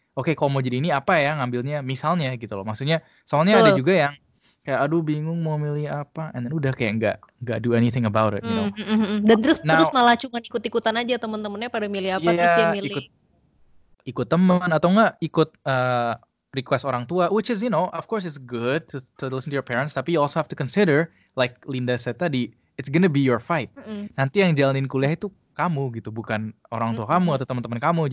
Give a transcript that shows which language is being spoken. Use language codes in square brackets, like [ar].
[id] Oke, kalau mau jadi ini apa ya ngambilnya? Misalnya gitu loh. Maksudnya, soalnya ada juga yang kayak, aduh, bingung mau milih apa. [en] And then [id] udah kayak nggak [en] do anything about it, you know. [id] Dan terus malah cuma ikut-ikutan aja teman-temannya pada milih apa, terus dia milih. Ikut teman atau nggak ikut request orang tua, [en] which is, you know, of course it's good to listen to your parents, [id] tapi [en] you also have to consider, like Linda said [id] tadi, [en] it's gonna be your fight. [id] Nanti yang jalanin kuliah itu kamu gitu, bukan orang tua kamu atau teman-teman kamu.